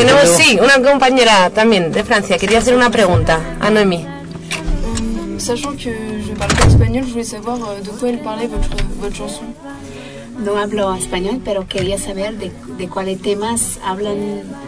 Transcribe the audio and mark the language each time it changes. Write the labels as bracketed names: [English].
[Spanish] Tenemos, sí, una compañera también de Francia, quería hacer una pregunta a Noemí. [French] Sachant que je parle pas espagnol, je voulais savoir de quoi elle parlait votre chanson. [Spanish] No hablo español, pero quería saber de cuáles temas hablan